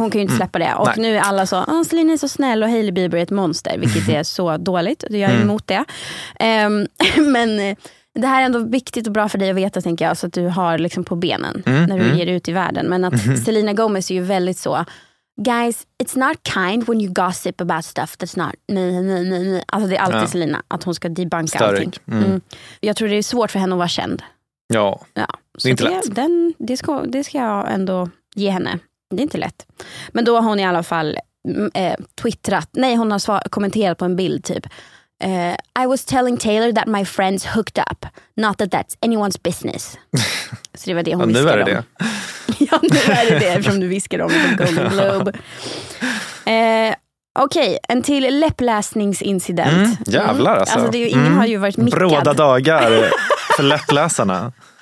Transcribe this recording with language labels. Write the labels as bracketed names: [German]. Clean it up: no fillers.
[Swedish] Hon kan ju inte släppa det. Och nu är alla så, Selena är så snäll och Hailey Bieber är ett monster. Vilket är så dåligt. Jag är emot det. Men det här är ändå viktigt och bra för dig att veta, tänker jag. Så att du har liksom på benen när du ger ut i världen. Men att Selena Gomez är ju väldigt så... [English] Guys, it's not kind when you gossip about stuff that's not... [Swedish] Nej. Alltså det är alltid Selena, att hon ska debunka allting. Jag tror det är svårt för henne att vara känd. Ja. Så det är inte lätt. Det ska jag ändå ge henne. Det är inte lätt. Men då har hon i alla fall twittrat... Nej, hon har kommenterat på en bild typ... [English] I was telling Taylor that my friends hooked up. Not that that's anyone's business. [Swedish] Så det var det hon viskade om. Nu är det det. Ja, nu är det det, eftersom du viskar om Golden Globe. Okej, en till läppläsningsincident. Jävlar alltså. Alltså det är ju, ingen har ju varit mickad. Bråda dagar för läppläsarna.